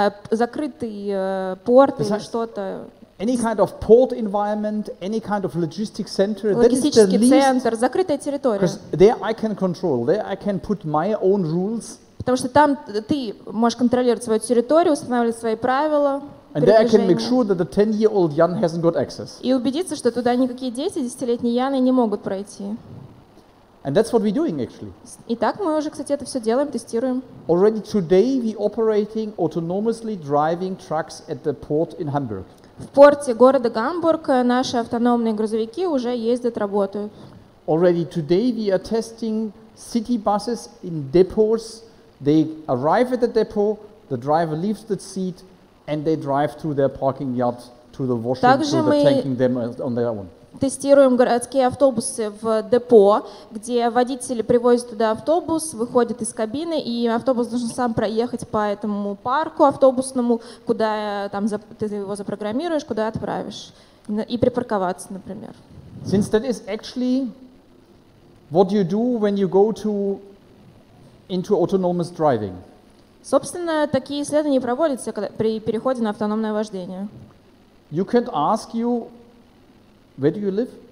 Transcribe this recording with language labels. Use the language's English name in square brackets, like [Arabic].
[Russian] Закрытый порт или что-то. [English] Any kind of port environment, any kind of logistics center. [Russian] Логистический [English] that is the [Russian] центр, [English] least, [Russian] закрытая территория. [English] Because there I can control. There I can put my own rules. [Russian] Потому что там ты можешь контролировать свою территорию, устанавливать свои правила. [English] And there I can make sure that the 10-year-old Jan hasn't got access. [Russian] И убедиться, что туда никакие дети, 10-летние Яны, не могут пройти. [English] And that's what we're doing, actually. [Russian] Итак, мы уже, кстати, это все делаем, тестируем. [English] Already today we're operating autonomously driving trucks at the port in Hamburg. [Russian] В порте города Гамбург наши автономные грузовики уже ездят, работают. [English] Already today we are testing city buses in depots. They arrive at the depot, the driver leaves the seat, and they drive to their parking yard to the washing, [Russian] также [English] to the tanking them on their own. [Russian] Тестируем городские автобусы в депо, где водители привозят туда автобус, выходят из кабины, и автобус должен сам проехать по этому парку автобусному, куда там ты его запрограммируешь, куда отправишь, и припарковаться, например. [English] Since that is actually what you do when you go to into autonomous driving. [Russian] Собственно, такие исследования проводятся при переходе на автономное вождение. [English] You can't ask you where do you live?